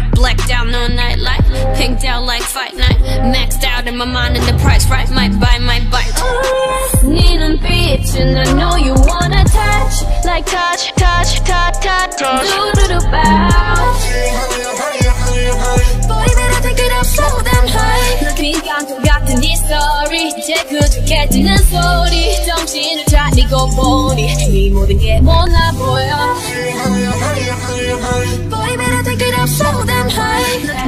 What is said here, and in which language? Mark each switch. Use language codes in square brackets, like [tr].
[en] Blacked out, no nightlight. Pinked out like fight night. Maxed out in my mind and the price, right? Might buy, might bite. Need a bitch and I know you wanna touch. Like touch, touch, touch, touch, touch. Do, do, do, bow. Boy, better take it up so damn high. [ko] 난 뒷광고 같은 네 story. 이제 그저 깨지는 소리. 정신을 차리고 보니 네 모든 게 몰라 보여. [en] Boy, better take it up so damn high.